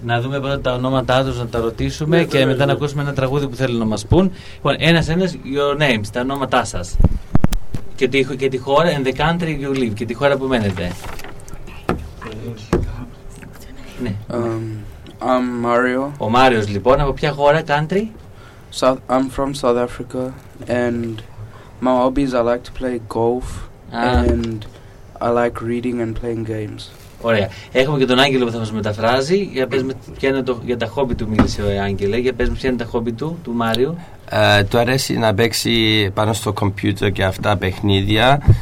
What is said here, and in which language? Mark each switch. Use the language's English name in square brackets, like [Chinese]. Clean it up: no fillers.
[Greek] Να δούμε πρώτα τα ονόματά τους, να τα ρωτήσουμε, ναι, και μετά να ακούσουμε ένα τραγούδι που θέλουν να μας πούν. Λοιπόν, ένας-ένας, [English] your names, [Greek] τα ονόματά σας. Και τη χώρα, [English] and the country you live, [Greek] και τη χώρα που μένετε. [English] Ναι. I'm Mario. [Greek] Ο Μάριος, λοιπόν, από ποια χώρα, country? [English] I'm from South Africa and my hobbies, I like to play golf and I like reading and playing games. [Greek] Ωραία. Έχουμε και τον Άγγελο που θα μας μεταφράζει. Για πες με ποια είναι για τα χόμπι του, μίλησε ο Άγγελε. Για πες με ποια είναι τα χόμπι του Μάριου. Του αρέσει να παίξει πάνω στο κομπιούτερ και αυτά παιχνίδια.